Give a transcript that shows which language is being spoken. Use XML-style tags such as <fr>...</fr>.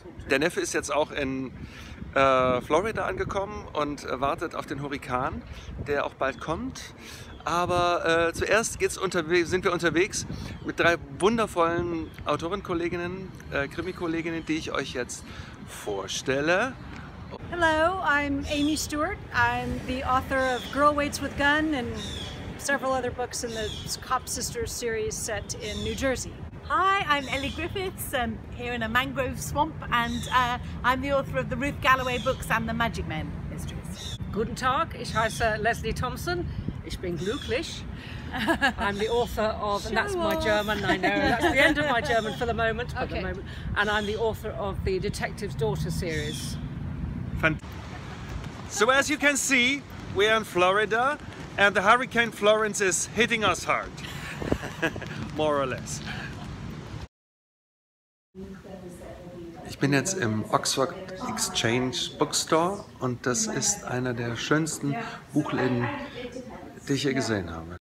<de>Der Neffe ist jetzt auch in Florida angekommen und wartet auf den Hurrikan, der auch bald kommt. Aber zuerst sind wir unterwegs mit drei wundervollen Autorenkolleginnen, Krimikolleginnen, die ich euch jetzt vorstelle.</de> <en>Hello, I'm Amy Stewart. I'm the author of Girl Waits with Gun and several other books in the Cop Sisters series set in New Jersey. Hi, I'm Elly Griffiths, here in a mangrove swamp, and I'm the author of the Ruth Galloway books and the Magic Men mysteries.</en> <de>Guten Tag, ich heiße Leslie Thompson. Ich bin glücklich.</de> <en>I'm the author of, and that's my German, I know, that's the end of my German for the moment, and I'm the author of the Detective's Daughter series. So as you can see, we are in Florida, and the Hurricane Florence is hitting us hard, more or less.</en> <de>Ich bin jetzt im Oxford Exchange Bookstore und das ist einer der schönsten Buchläden, die ich je gesehen habe.</de>